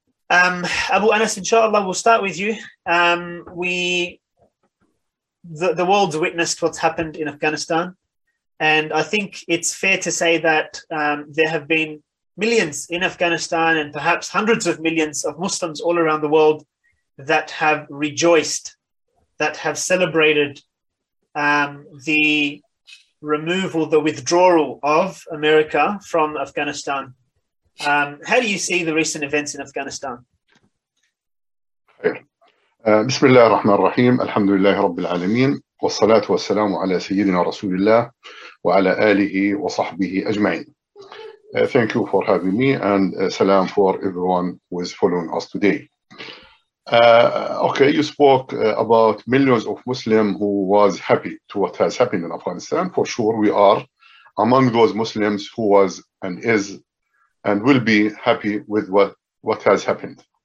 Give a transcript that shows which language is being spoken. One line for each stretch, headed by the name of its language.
English: Abu Anas, inshallah, we'll start with you. The world's witnessed what's happened in Afghanistan, and I think it's fair to say that there have been millions in Afghanistan and perhaps hundreds of millions of Muslims all around the world that have rejoiced, that have celebrated the removal, the withdrawal of America from Afghanistan. How do you see the recent events in Afghanistan?
Arabic: بسم الله الرحمن الرحيم الحمد لله رب العالمين والصلاة والسلام على سيدنا رسول الله وعلى آله وصحبه أجمعين.
English: Thank you for having me and salam for everyone who is following us today. Okay, you spoke about millions of Muslims who was happy to what has happened in Afghanistan. For sure, we are among those Muslims who was and is and will be happy with what has happened.